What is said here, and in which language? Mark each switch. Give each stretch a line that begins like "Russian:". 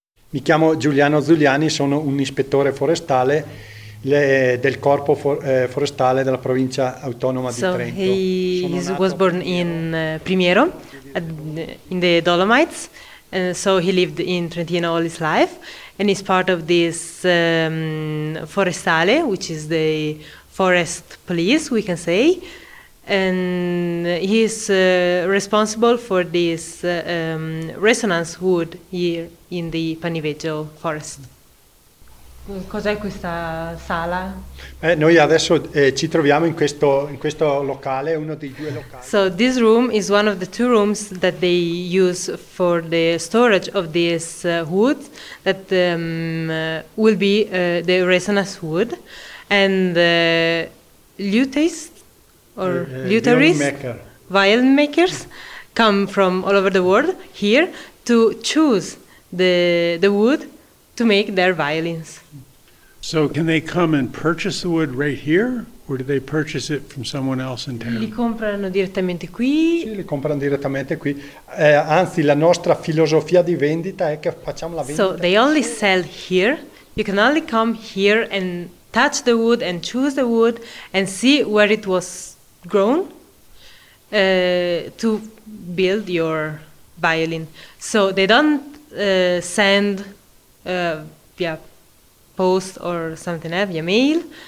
Italian: Mi chiamo Giuliano Zuliani, sono un ispettore forestale del corpo forestale della provincia autonoma di Trento.
English: So he was born in Primiero, in the Dolomites. So he lived in Trentino all his life, and he's part of this forestale, which is the forest police, we can say. And he's responsible for this resonance wood here in the Paniveggio forest.
Italian: Cos'è questa sala? Noi adesso ci troviamo in questo locale, uno dei due locali.
English: So this room is one of the two rooms that they use for the storage of this wood that will be the resonance wood. And violin makers come from all over the world here to choose the wood to make their violins. So can they come and purchase the wood right here, or do they purchase it from someone else in town?
Italian: Li comprano direttamente qui. Sì, li comprano direttamente qui. Anzi, la nostra filosofia di vendita è che facciamo la vendita.
English: So they only sell here. You can only come here and touch the wood and choose the wood and see where it was grown to build your violin. So they don't send post or something else, via mail.